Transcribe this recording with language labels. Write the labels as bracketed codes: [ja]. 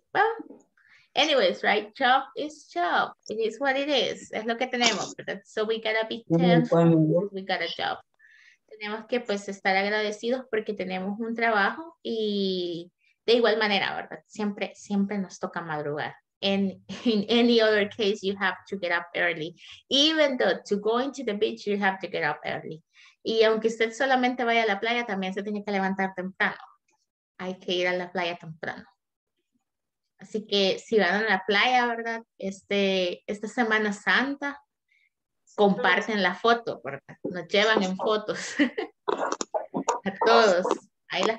[en] Well, anyways, right? Job is job. It is what it is. [es] Es lo que tenemos. ¿Verdad? [en] So we gotta be thankful. We got a job. [es] Tenemos que pues estar agradecidos porque tenemos un trabajo y de igual manera, ¿verdad? Siempre, siempre nos toca madrugar. [en] In any other case, you have to get up early. Even though to going to the beach, you have to get up early. [es] Y aunque usted solamente vaya a la playa, también se tiene que levantar temprano. Hay que ir a la playa temprano. Así que si van a la playa, ¿verdad? Esta Semana Santa, comparten la foto, ¿verdad? Nos llevan en fotos a todos. Ahí las